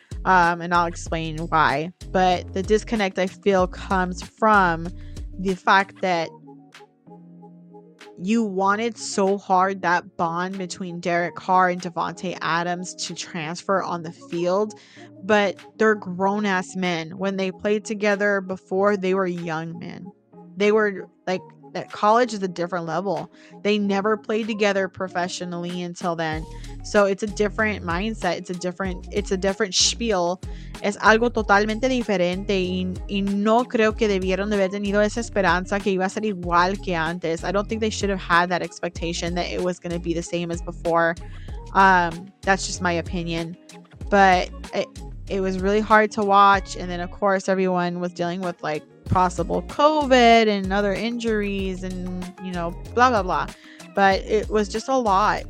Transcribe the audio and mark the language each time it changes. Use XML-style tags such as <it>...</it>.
<en>And I'll explain why. But the disconnect I feel comes from the fact that you wanted so hard that bond between Derek Carr and Devontae Adams to transfer on the field. But they're grown-ass men. When they played together before, they were young men. They were like, that college is a different level. They never played together professionally until then. So it's a different mindset. It's a different spiel.</en> <es>Es algo totalmente diferente. Y no creo que debieron de haber tenido esa esperanza que iba a ser igual que antes.</es> <en>I don't think they should have had that expectation that it was going to be the same as before. That's just my opinion. But it was really hard to watch. And then, of course, everyone was dealing with, like, possible COVID and other injuries and, you know, blah blah blah, but it was just a lot.</en>